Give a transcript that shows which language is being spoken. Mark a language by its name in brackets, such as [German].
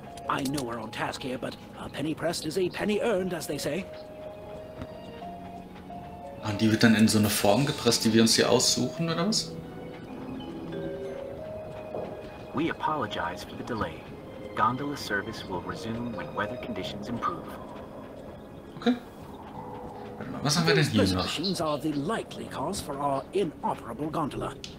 [English] I know we're on task here, but a penny pressed is a penny earned, as they say. [German] Und die wird dann in so eine Form gepresst, die wir uns hier aussuchen, oder was? [English] We apologize for the delay. Gondola service will resume when weather conditions improve. Okay. [German] Warte mal, was haben wir denn hier noch? [English] Machines are the likely cause for our inoperable gondola.